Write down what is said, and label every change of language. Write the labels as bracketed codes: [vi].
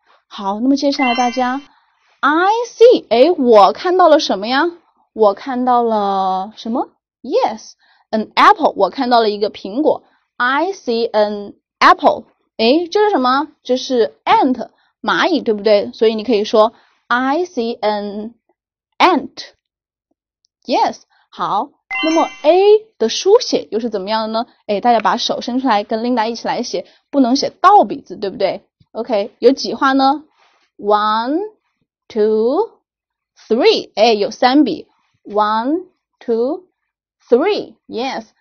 [zh] 好，那么接下来大家， [en] I see. [zh] 哎，我看到了什么呀？我看到了什么？ [en] Yes. An apple， [zh] 我看到了一个苹果。 [en] I see an apple。 [zh] 哎，这是什么？这是 ant，蚂蚁，对不对？所以你可以说 [en] I see an ant。 Yes，好。 [zh] 那么 A 的书写又是怎么样的呢？哎，大家把手伸出来，跟 Linda 一起来写，不能写倒笔字，对不对？OK，有几画呢？ [en] One, two, three。 [zh] 哎，有三笔。 [en] One, two。 Three，yes。